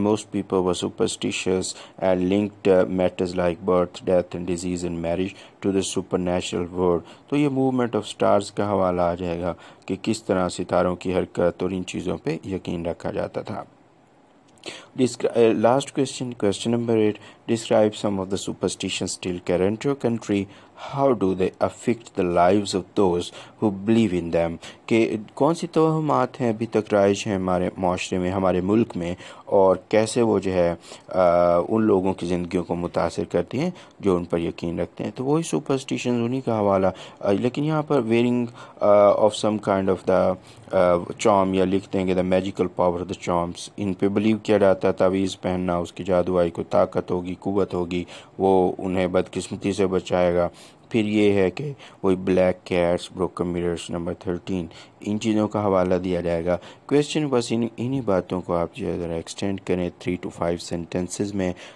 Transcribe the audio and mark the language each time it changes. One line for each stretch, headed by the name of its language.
English: people were superstitious and linked matters like birth death and disease and marriage to the supernatural world
Urdu: تو یہ movement of stars کا حوالہ آ جائے گا کہ کس طرح ستاروں کی حرکت اور ان چیزوں پہ یقین رکھا جاتا تھا
English: Last question number 8 describe some of the superstition still current your country how do they affect the lives of those who believe in them.
Urdu: کہ کون سی توہمات ہیں ابھی تک رائج ہیں ہمارے معاشرے میں ہمارے ملک میں اور کیسے وہ جو ہے ان لوگوں کی زندگیوں کو متاثر کرتی ہیں جو ان پر یقین رکھتے ہیں تو وہی سپرسٹیشن انہی کا حوالہ لیکن یہاں پر
English: wearing of some kind of the charm
Urdu: یا لکھتے ہیں کہ
English: the magical power of the charms
Urdu: ان پہ بلیو کیا جاتا ہے تعویذ پہننا اس کی جادوائی کو طاقت ہوگی قوت ہوگی وہ انہیں بدقسمتی سے بچائے گا پھر یہ ہے کہ وہی
English: black cats broken mirrors number 13
Urdu: ان چیزوں کا حوالہ دیا جائے گا کوشچن بس انہی باتوں کو آپ جو ذرا ایکسٹینڈ کریں 3 to 5 سینٹینسز میں